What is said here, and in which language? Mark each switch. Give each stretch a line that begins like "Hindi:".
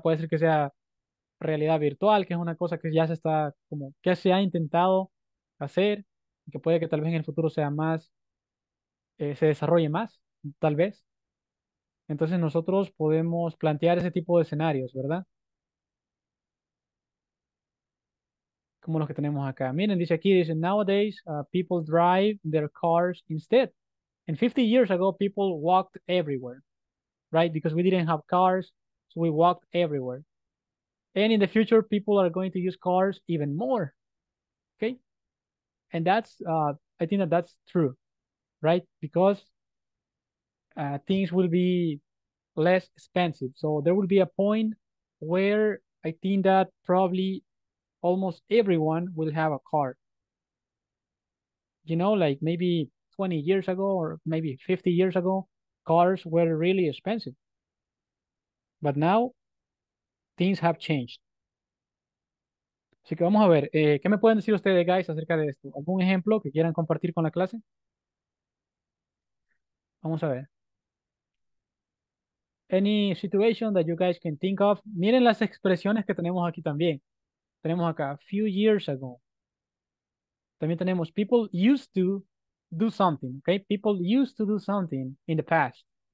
Spanish: Puede ser que sea realidad virtual, que es una cosa que ya se está como, que se ha intentado hacer, que puede que tal vez en el futuro sea más, se desarrolle más, tal vez. Entonces nosotros podemos plantear ese tipo de escenarios, ¿verdad? Como los que tenemos acá. Miren, dice aquí, dice,
English: nowadays people drive their cars instead. And 50 years ago, people walked everywhere, right? Because we didn't have cars, so we walked everywhere. And in the future, people are going to use cars even more, okay? And that's, I think that that's true, right? Because things will be less expensive. So there will be a point where I think that probably almost everyone will have a car. You know, like maybe 20 years ago or maybe 50 years ago, cars were really expensive. But now, things have changed.
Spanish: Así que vamos a ver, ¿qué me pueden decir ustedes, guys, acerca de esto? ¿Algún ejemplo que quieran compartir con la clase? Vamos a ver.
English: Any situation that you guys can think of?
Spanish: Miren las expresiones que tenemos aquí también. Tenemos acá,
English: a few years ago.
Spanish: También tenemos,
English: people used to do something, okay? People used to do something in the past.